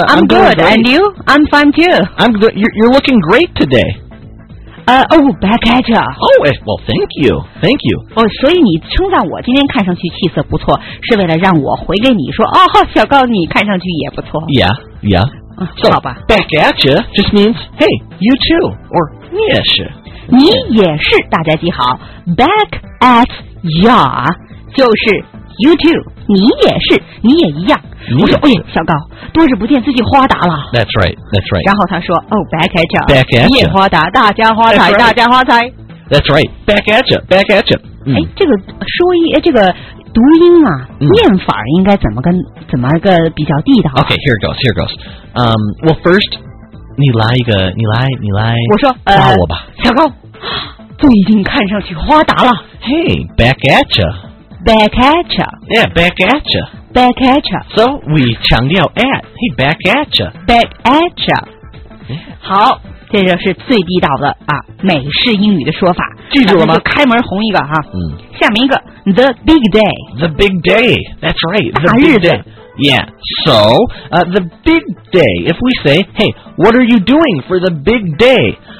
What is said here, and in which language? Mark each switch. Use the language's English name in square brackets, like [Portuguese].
[English] good And you I'm fine too I'm good You're looking great today back at ya Oh well thank you Thank you [Chinese] 哦、oh, 所以你称赞我今天看上去气色不错是为了让我回给你说哦、oh, 小高你看上去也不错 [English] Yeah Yeah [Chinese] So, 好吧 [English] back at you just means, hey, you too, or [Chinese] 你也是。你也是，大家记好 back at ya 就是 you too, 你也是，你也一样。我说，哎呀，小高，多日不见，最近花达了。 [English] That's right, that's right. [Chinese] 然后他说， [English] oh, back at ya, back at ya, [Chinese] 你也花达，大家花财，大家花财。 [English] That's right, back at ya, back at ya. [Chinese] 哎，这个说一，这个读音啊，念法应该怎么跟怎么个比较地道 [English] ？Okay, here it goes, here it goes. Well, first, [Chinese] 你来一个，你来，你来，我说，夸我吧，小高，最近看上去花达了。 [English] Hey, back at ya, back at ya, yeah, back at ya, back at ya. So we 强调 at, hey, back at ya, back at ya. [Chinese] 好，这就是最地道的啊，美式英语的说法，记住了吗？开门红一个哈、啊，嗯，下面一个 the big day, [English] the big day, that's right, the big day. Yeah, so, the big day, if we say, hey, what are you doing for the big day?